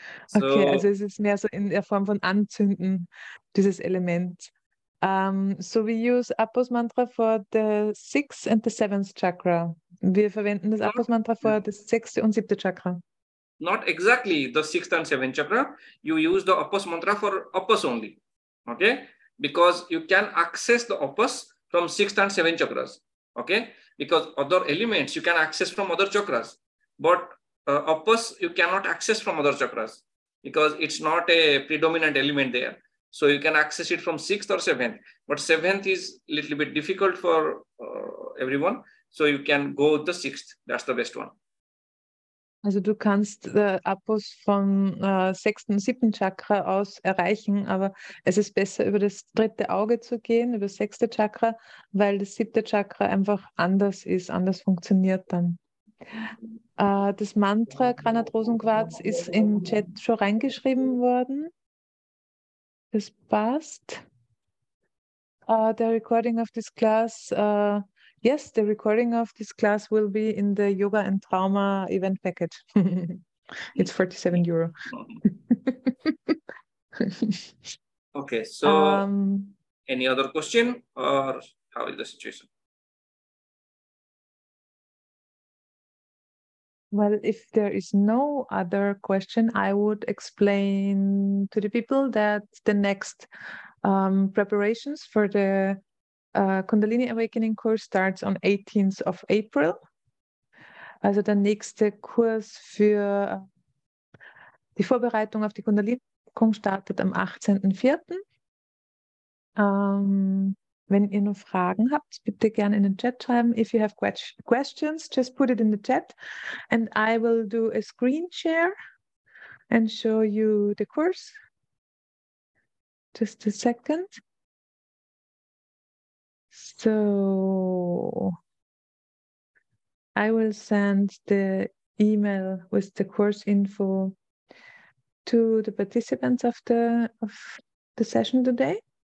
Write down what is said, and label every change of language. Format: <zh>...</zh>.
<de>So, okay, also es ist mehr so in der Form von Anzünden, dieses Element.</de> <en>So we use Appos Mantra for the 6th and the 7th chakra.</en> <de>Wir verwenden das Appos Mantra</de> <en>for the 6th</en> <de>und 7th chakra.</de> <en>Not exactly the 6th and 7th chakra. You use the Appos Mantra for Appos only. Okay? Because you can access the Appos from 6th and 7th chakras. Okay? Because other elements you can access from other chakras. But Appos you cannot access from other chakras. Because it's not a predominant element there. So you can access it from 6th or 7th. But 7th is a little bit difficult for everyone. So you can go with the 6th. That's the best one.</en> <de>Also du kannst the Appos vom 6. und 7. Chakra aus erreichen, aber es ist besser, über das dritte Auge zu gehen, über das 6. Chakra, weil das 7. Chakra einfach anders ist, anders funktioniert dann. Das Mantra Granatrosenquarz ist im Chat schon reingeschrieben worden. Das passt.</de> <en>The recording of this class, yes, the recording of this class will be in the Yoga and Trauma event package. It's 47 Euro. Okay, so any other question or how is the situation? Well, if there is no other question, I would explain to the people that the next preparations for the Kundalini Awakening course starts on 18th of April.</en> <de>Also der nächste Kurs für die Vorbereitung auf die Kundalini Awakening startet am 18.04. Wenn ihr noch Fragen habt, bitte gerne in den Chat schreiben.</de> <en>If you have questions, just put it in the chat. And I will do a screen share and show you the course. Just a second. So I will send the email with the course info to the participants of the session today.</en>